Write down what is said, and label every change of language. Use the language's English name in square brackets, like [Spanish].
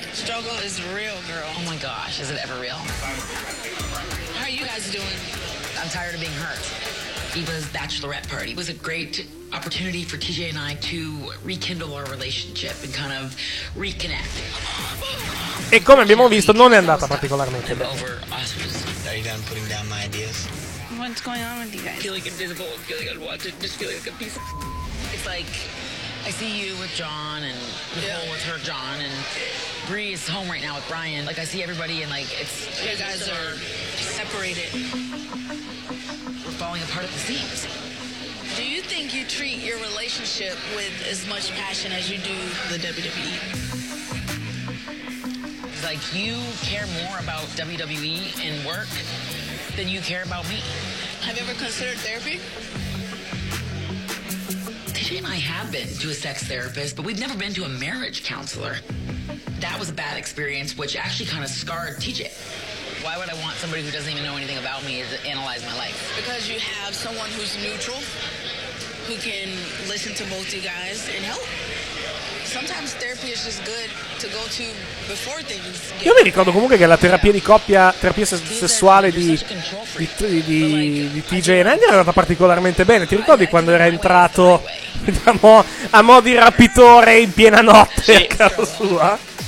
[English] Struggle is real, girl. Oh my gosh, is it ever real? How are you guys doing? I'm tired of being hurt. Eva's bachelorette party was a great opportunity for TJ and I to rekindle our relationship and kind of reconnect. [Italian] E come abbiamo visto, non è andata particolarmente bene. [English] Over. Are you done putting down my ideas? What's going on with you guys? I feel like invisible, I feel like unwanted, just feel like a piece of... It's like, I see you with John and Nicole yeah. with her John and Bree is home right now with Brian. Like, I see everybody and like, it's... You guys are separated. Falling apart at the seams. Do you think you treat your relationship with as much passion as you do the WWE? Like, you care more about WWE and work than you care about me. Have you ever considered therapy? TJ and I have been to a sex therapist, but we've never been to a marriage counselor. That was a bad experience, which actually kind of scarred TJ. Why would I want somebody who doesn't even know anything about me to analyze my life? Because you have someone who's neutral, who can listen to both you guys and help. Sometimes therapy is just good to go to before things. [Italian] Io mi ricordo comunque che la terapia di coppia, terapia sessuale di TJ e Randy era andata particolarmente bene. Ti ricordi quando era entrato, diciamo, a mo' di rapitore in piena notte a casa sua?